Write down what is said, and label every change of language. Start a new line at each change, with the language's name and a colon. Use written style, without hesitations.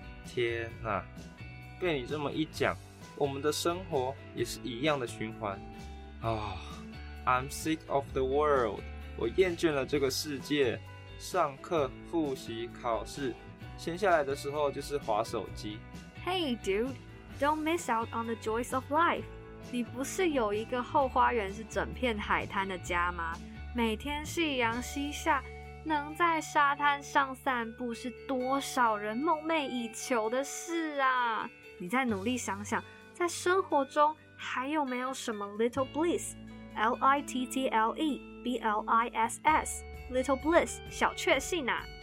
Chinese: 天哪！被你这么一讲，我们的生活也是一样的循环啊、！
English: I'm sick of the world，
Chinese: 我厌倦了这个世界。上课、复习、考试，闲下来的时候就是滑手机。
English: Hey dude， don't miss out on the joys of life。
Chinese: 你不是有一个后花园是整片海滩的家吗？每天夕阳西下，能在沙滩上散步，是多少人梦寐以求的事啊！你再努力想想，在生活中还有没有什么
English: little bliss， littlebliss， little bliss，
Chinese: 小确幸啊。